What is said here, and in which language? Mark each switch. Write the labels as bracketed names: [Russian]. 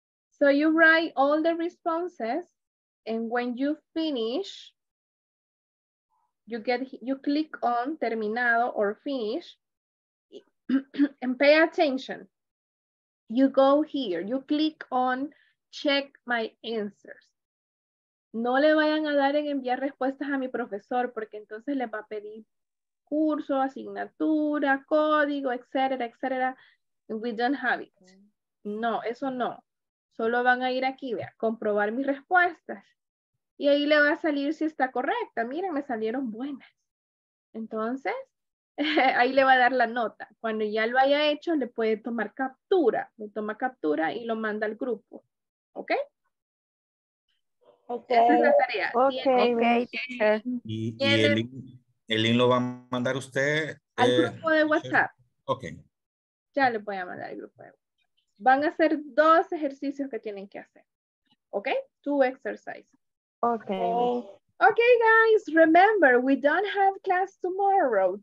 [English] So you write all the responses, and when you finish, you click on terminado or finish, and pay attention. You go here, you click on check my answers. [Spanish] No le vayan a dar en enviar respuestas a mi profesor porque entonces le va a pedir curso, asignatura, código, etcétera, etcétera. [English] We don't have it. [Spanish] No, eso no. Solo van a ir aquí, vea, comprobar mis respuestas. Y ahí le va a salir si está correcta. Miren, me salieron buenas. Entonces, ahí le va a dar la nota. Cuando ya lo haya hecho, le puede tomar captura. Le toma captura y lo manda al grupo. ¿Ok? Ok. Esa es la tarea. [English] Ok, teacher. [Spanish] Y, y, el, El link lo va a mandar usted. Al grupo de WhatsApp. Ok. Ya le voy a mandar el grupo de WhatsApp. Van a ser dos ejercicios que tienen que hacer. [English] Ok. Two exercises. Ok. Okay, guys, remember, we don't have class tomorrow.